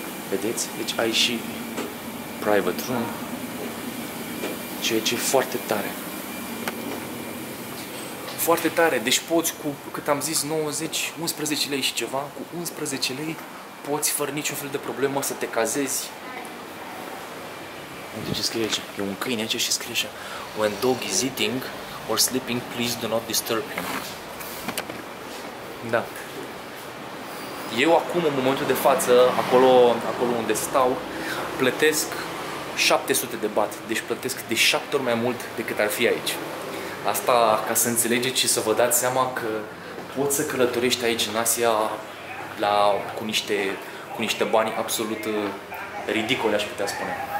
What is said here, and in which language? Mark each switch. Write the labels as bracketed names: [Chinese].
[Romanian] Vedeți? Deci ai și private room. Ceea ce e foarte tare. Foarte tare. Deci poți cu, cât am zis, 90, 11 lei și ceva. Cu 11 lei poți, fără niciun fel de problemă, să te cazezi. Uite ce scrie aici. E un câine aici și scrie așa. [English] When dog is eating or sleeping, please do not disturb him. [Romanian] Da. Eu acum, în momentul de față, acolo unde stau, plătesc 700 de bat. Deci plătesc de 7 ori mai mult decât ar fi aici. Asta ca să înțelegeți și să vă dați seama că poți să călătorești aici în Asia la, cu niște bani absolut ridicole, aș putea spune.